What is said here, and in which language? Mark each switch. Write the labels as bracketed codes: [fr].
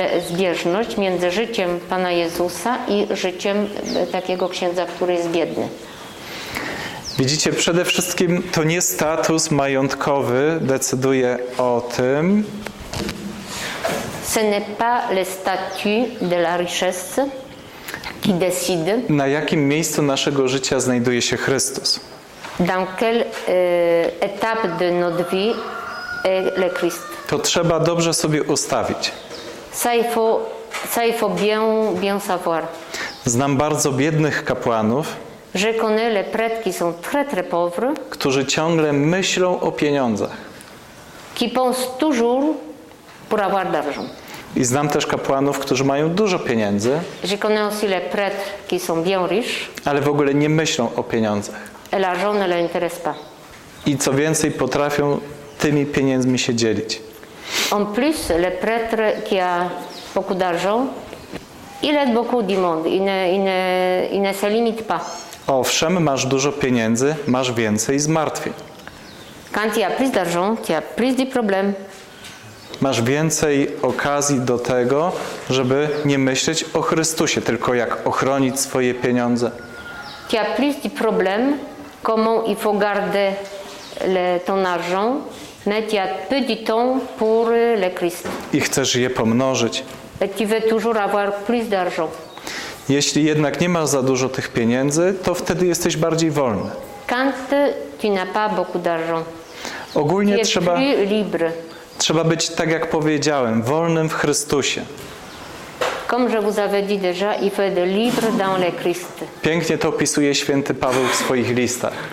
[pl] zbieżność między życiem Pana Jezusa i życiem takiego księdza, który jest biedny? Widzicie, przede wszystkim to nie status majątkowy decyduje o tym, [fr] ce n'est pas le statut de la richesse qui décide. [pl] Na jakim miejscu naszego życia znajduje się Chrystus? [fr] Dans quelle étape de notre vie est le Christ? [pl] To trzeba dobrze sobie ustawić. [fr] Ça il faut bien savoir. [pl] Znam bardzo biednych kapłanów. [fr] Je connais les prêtres qui sont très très pauvres. [pl] Którzy ciągle myślą o pieniądzach. [fr] Qui pensent toujours pour avoir d'argent. [pl] I znam też kapłanów, którzy mają dużo pieniędzy. [fr] Je connais aussi les prêtres qui sont bien riches. [pl] Ale w ogóle nie myślą o pieniądzach. [fr] Et l'argent ne les intéresse pas. [pl] I co więcej, potrafią tymi pieniędzmi się dzielić. [fr] En plus, le prêtre qui a beaucoup d'argent, il aide beaucoup du monde, il ne se limite pas. [pl] Owszem, masz dużo pieniędzy, masz więcej zmartwień. [fr] Quand il y a plus d'argent, il y a plus de problèmes. [pl] Masz więcej okazji do tego, żeby nie myśleć o Chrystusie, tylko jak ochronić swoje pieniądze. [fr] Tu as plus de problèmes, comment il faut garder ton argent, mais tu as peu de temps pour le Christ. [pl] I chcesz je pomnożyć. [fr] Et tu veux toujours avoir plus d'argent. [pl] Jeśli jednak nie masz za dużo tych pieniędzy, to wtedy jesteś bardziej wolny. [fr] Quand tu n'as pas beaucoup d'argent, [pl] ogólnie [fr] tu es plus libre. [pl] Trzeba być, tak jak powiedziałem, wolnym w Chrystusie. [fr] Comme je vous avais dit déjà, il faut être libre dans le Christ. [pl] Pięknie to opisuje święty Paweł w swoich listach.